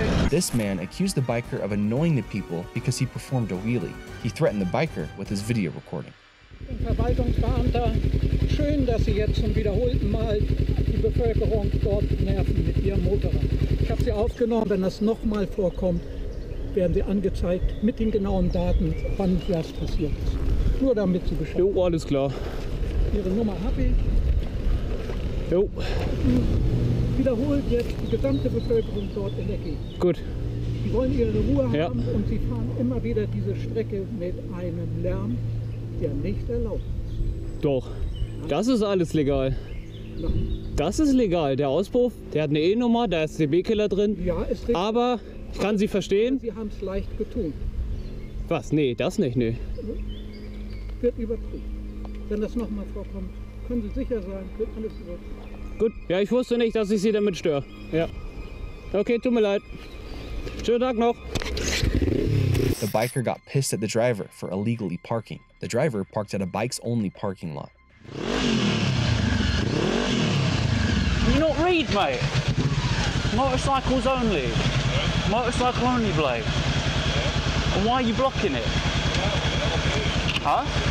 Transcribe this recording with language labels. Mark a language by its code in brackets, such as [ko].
[en] This man accused the biker of annoying the people because he performed a wheelie. He threatened the biker with his video recording. [de] Verwaltungsbeamter, schön, dass Sie jetzt zum wiederholten Mal die Bevölkerung dort nerven mit Ihrem Motorrad. Ich habe Sie aufgenommen, wenn das nochmal vorkommt, werden Sie angezeigt mit den genauen Daten, wann das passiert ist. Nur damit Sie Bescheid. Jo, alles klar. Ihre Nummer habe ich. Jo. Wiederholt jetzt die gesamte Bevölkerung dort in der Gegend. Gut. Sie wollen ihre Ruhe haben, ja. Und sie fahren immer wieder diese Strecke mit einem Lärm, der nicht erlaubt ist. Doch, das ist alles legal. Das ist legal, der Auspuff, der hat eine E-Nummer, da ist CB-Killer drin. Ja, ist richtig. Aber ich kann Sie verstehen. Sie haben es leicht getun. Was? Nee, das nicht, nee. Wird überprüft. Wenn das nochmal vorkommt, können Sie sicher sein, wird alles überprüft. Gut, ja, ich wusste nicht, dass ich Sie damit störe. Ja. Okay, tut mir leid. Schönen Tag noch. [en] The biker got pissed at the driver for illegally parking. The driver parked at a bikes-only parking lot. You not read, mate? Motorcycles only. Motorcycle only, Blake. And why are you blocking it? Huh?